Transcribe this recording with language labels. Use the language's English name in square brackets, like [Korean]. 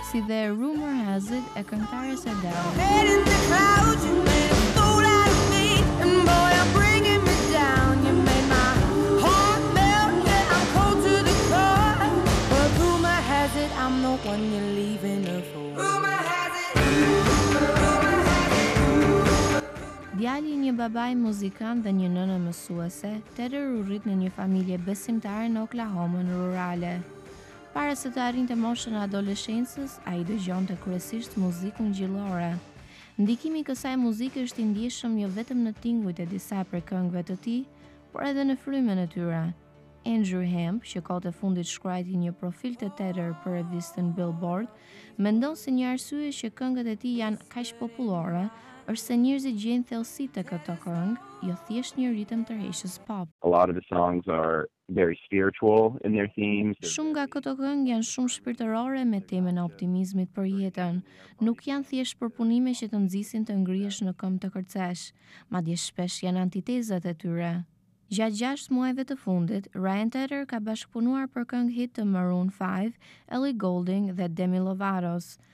[English] The rumor has it a cantare said down. Head in the clouds, you made a fool out of me. And boy, you're bringing me down. You made my heart melt and I'm cold to the core. But rumor has it I'm the one you're leaving her for. Rumor has it. [Albanian] Djali një babaj muzikan dhe një nënë mësuese, Tedder u rrit në një familje besimtare në Oklahoma rurale. Para se të arrinte moshën e adoleshencës, ai dëgjonte kryesisht muzikën gjillore. Ndikimi i kësaj muzike është i ndjeshëm jo vetëm në tingujt e disa prej këngëve të tij, por edhe në frymën e tyre. Andrew Hemp, që kohët e fundit shkruajti një profil të Tedder për revistën Billboard, mendon se një arsye që këngët e tij janë kaq popullore është se njerëzit gjejnë thellësi te këto këngë, jo thjesht një ritëm tërheqës pop. [English] A lot of the songs are very spiritual in their themes. [Albanian] Shumë nga këto këngë janë shumë shpirtërore me temën e optimizmit për jetën. Nuk janë thjesht përpunime që të nxisin të ngrihesh në këmbë të kërcesh, madje shpesh janë antitezat e tyre. Gjatë 6 muajve të fundit, Ryan Tedder ka bashkëpunuar për këngë hit të Maroon 5, Ellie Goulding dhe Demi Lovato's.